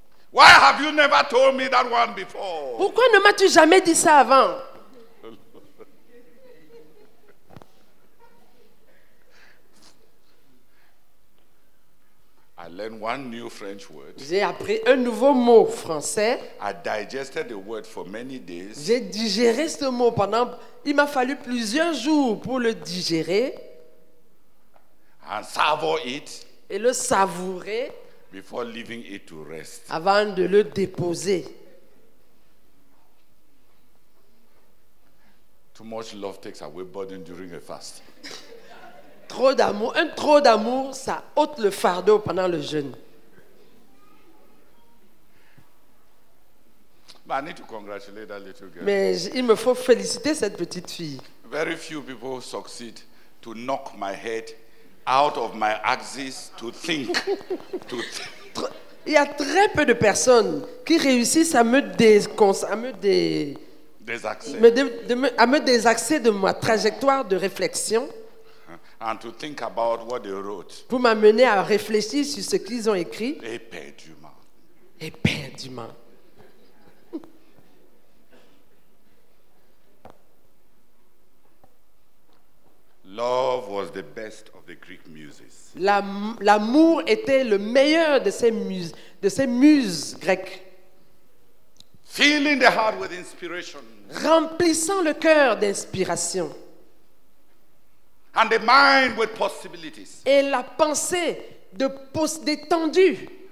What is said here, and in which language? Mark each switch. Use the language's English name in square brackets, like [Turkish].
[English] Why have you never told me that one before? [French] Pourquoi ne m'as-tu jamais dit ça avant? [English] I learned one new French word. [French] J'ai appris un nouveau mot français. [English] I digested the word for many days. [French] J'ai digéré ce mot pendant. Il m'a fallu plusieurs jours pour le digérer. [English] And savour it. [French] Et le savourer. [English] Before leaving it to rest. [French] Avant de le déposer. [English] Too much love takes away burden during a fast. [French] Trop d'amour, un trop d'amour, ça ôte le fardeau pendant le jeûne. [English] But I need to congratulate that little girl. [French] Mais il me faut féliciter cette petite fille. [English] Very few people succeed to knock my head out of my axis to think. [French] Il y a très peu de personnes qui réussissent à me désaxer de ma trajectoire de réflexion. [English] And to think about what they wrote. [French] Pour m'amener à réfléchir sur ce qu'ils ont écrit. Éperdument. Éperdument. [English] Love was the best of the Greek muses. [French] L'amour était le meilleur de ces muses grecques. [English] Filling the heart with inspiration. [French] Remplissant le cœur d'inspiration. [English] And the mind with possibilities. [French] Et la pensée d'étendue.